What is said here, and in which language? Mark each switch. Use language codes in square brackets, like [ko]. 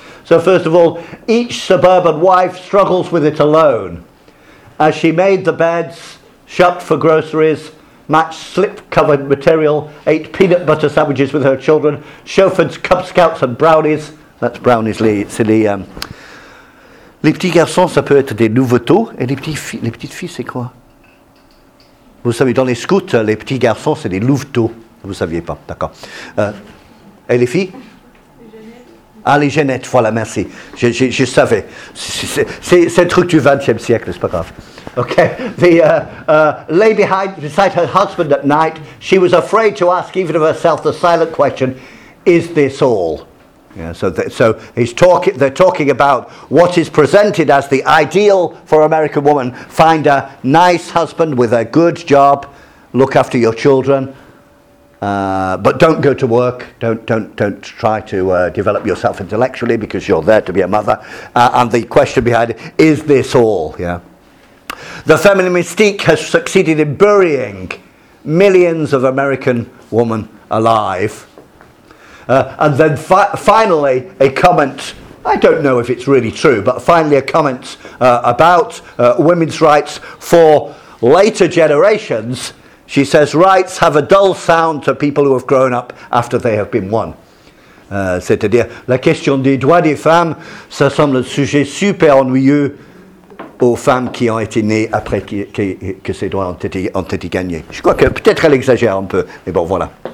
[en] So first of all, each suburban wife struggles with it alone. As she made the beds, shopped for groceries, matched slip-covered material, ate peanut butter sandwiches with her children, chauffeured Cub Scouts and brownies. That's brownies, Lee. It's in the... [fr] Les petits garçons, ça peut être des nouveautés. Et les petites filles, c'est quoi? Vous savez, dans les scouts, les petits garçons, c'est des louveteaux. Vous ne saviez pas, d'accord. Et les filles? Les Jeannettes, voilà, merci. Je savais. C'est un truc du 20e siècle, c'est pas grave. [en] OK. The lay beside her husband at night, she was afraid to ask even of herself the silent question, is this all? Yeah, they're talking about what is presented as the ideal for American woman. Find a nice husband with a good job, look after your children, but don't go to work. Don't try to develop yourself intellectually, because you're there to be a mother. And the question behind it, is this all? Yeah. The feminine mystique has succeeded in burying millions of American women alive. And then finally, a comment. I don't know if it's really true, but finally a comment about women's rights for later generations. She says, rights have a dull sound to people who have grown up after they have been won. [fr] C'est-à-dire, la question des droits des femmes, ça semble un sujet super ennuyeux aux femmes qui ont été nées après que ces droits ont été gagnés. Je crois que peut-être elle exagère un peu, mais bon, voilà.